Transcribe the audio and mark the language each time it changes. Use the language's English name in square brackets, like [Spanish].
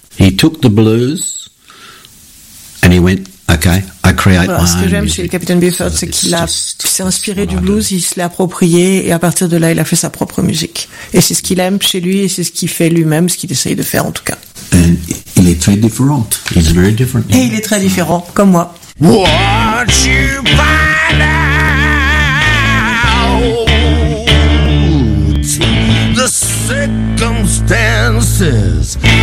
[English] He took the blues and he went, okay. [French] Ce que j'aime chez le Capitaine Beefheart, c'est qu'il s'est inspiré du blues, il se l'est approprié, et à partir de là, il a fait sa propre musique. Et c'est ce qu'il aime chez lui, et c'est ce qu'il fait lui-même, ce qu'il essaye de faire en tout cas. And il est très différent. [English] He's very different. [French] Et il est très différent, comme moi. [English] What you find out, the circumstances,